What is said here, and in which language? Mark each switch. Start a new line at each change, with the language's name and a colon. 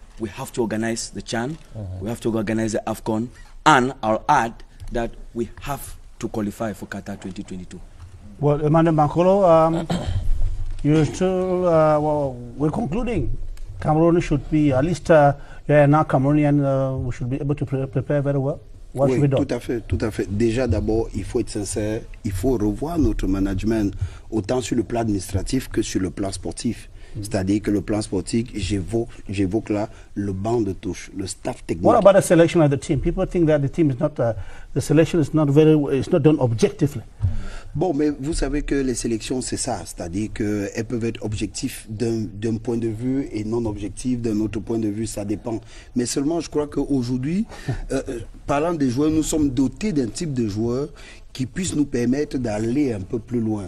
English: We have to organize the CHAN, we have to organize the AFCON, and I'll add that we have to qualify for Qatar 2022. Well, Emmanuel Mankolo, you're still, well, we're concluding. Cameroon should be, at least, yeah, now Cameroonian, we should be able to prepare very well. What
French: oui,
English: should we do?
French: Tout à fait, tout à fait. Déjà, d'abord, il faut être sincère, il faut revoir notre management, autant sur le plan administratif que sur le plan sportif. C'est-à-dire que le plan sportif, j'évoque là le banc de touche, le staff technique.
English: What about the selection of the team? People think that the team is not the selection is not very, it's not done objectively.
French: Bon, mais vous savez que les sélections, c'est ça. C'est-à-dire qu'elles peuvent être objectives d'un point de vue et non objectives d'un autre point de vue, ça dépend. Mais seulement, je crois qu'aujourd'hui, parlant des joueurs, nous sommes dotés d'un type de joueurs qui puissent nous permettre d'aller un peu plus loin.